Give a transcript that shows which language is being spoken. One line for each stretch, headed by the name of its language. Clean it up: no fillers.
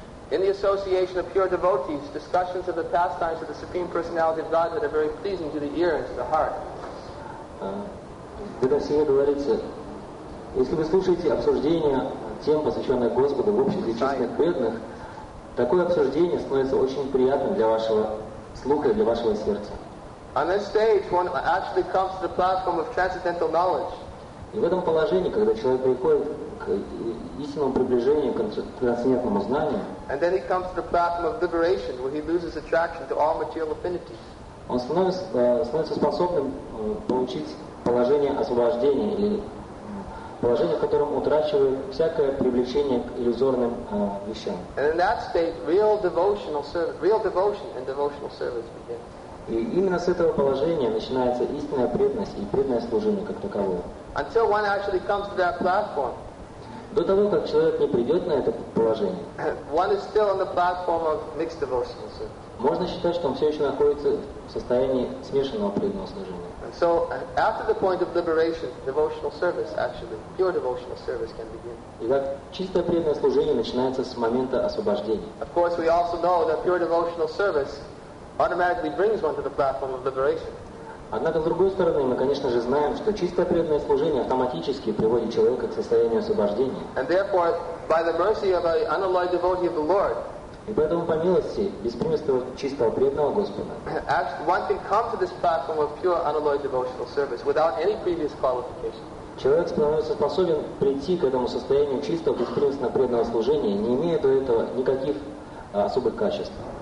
English: In the association of pure devotees, discussions of the pastimes of the Supreme Personality of Godhead are very pleasing to the ear and to the heart.
Russian: Когда в семье говорится, если вы слушаете обсуждение тем, посвященных Господу в обществе чистых преданных, такое обсуждение становится очень приятным для вашего слуха и для вашего сердца.
English: On this stage, one actually comes to the platform of transcendental knowledge.
Russian: И в этом положении, когда человек приходит к истинному приближению, к трансцендентному знанию,
English: and then he comes to the platform of liberation, where he loses attraction to all material affinities.
Russian: Он становится способным получить положение освобождения или положение, в котором утрачивает всякое привлечение к иллюзорным вещам.
English: And in that state, real devotion and devotional service begins.
Russian: И именно с этого положения начинается истинная преданность и преданное служение как таковое.
English: Until one actually comes to that platform,
Russian: до того, как человек не придет на это положение,
English: one is still on the platform of mixed devotional service.
Russian: Можно считать, что он все еще находится в состоянии смешанного преданного служения.
English: And so, after the point of liberation, devotional service, actually, pure devotional service can begin.
Russian: Итак, чистое преданное служение начинается с момента освобождения.
English: Of course, we also know that pure devotional service automatically brings one to the platform of liberation.
Russian: Однако, с другой стороны, мы, конечно же, знаем, что чистое преданное служение автоматически приводит человека к состоянию освобождения.
English: And therefore, by the mercy of an unalloyed devotee of the Lord,
Russian: и поэтому по милости, без примеса чистого преданного Господа,
English: one can come to this platform of pure unalloyed devotional service without any previous qualification.
Russian: Человек становится способен прийти к этому состоянию чистого, беспримесно преданного служения, не имея до этого никаких особых качеств.